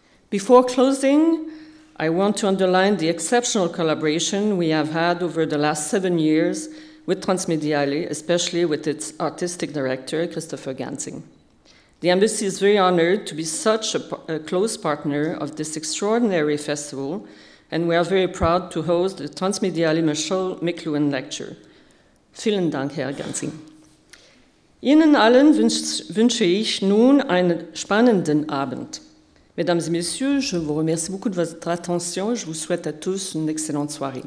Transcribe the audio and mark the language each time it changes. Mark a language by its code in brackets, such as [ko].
[en] Before closing, I want to underline the exceptional collaboration we have had over the last 7 years with Transmediale, especially with its artistic director, Christopher Gansing. The Embassy is very honored to be such a close partner of this extraordinary festival, and we are very proud to host the transmediale Marshall McLuhan Lecture. [de] Vielen Dank, Herr Gansing. Ihnen allen wünsche ich nun einen spannenden Abend. [fr] Mesdames et Messieurs, je vous remercie beaucoup de votre attention. Je vous souhaite à tous une excellente soirée.